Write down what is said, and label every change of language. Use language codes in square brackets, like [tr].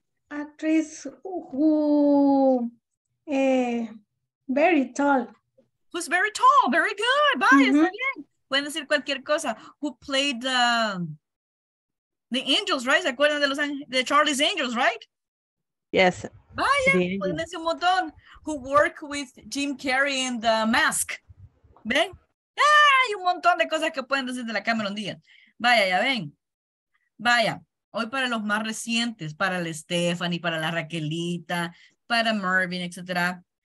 [en] Actress who very tall. Who's very tall? Very good. [es] Vaya, está bien. Pueden decir cualquier cosa. [en] Who played the Angels, right? [es] ¿Se acuerdan de los de Charlie's Angels, right? [en] Yes. [es] Vaya, pueden decir un montón. [en] Who worked with Jim Carrey in The Mask? [es] ¿Ven? Ah, hay un montón de cosas que pueden decir de la Cameron Diaz. Vaya, ya ven. Vaya, hoy para los más recientes, para la Stephanie, para la Raquelita, para Mervin, etc.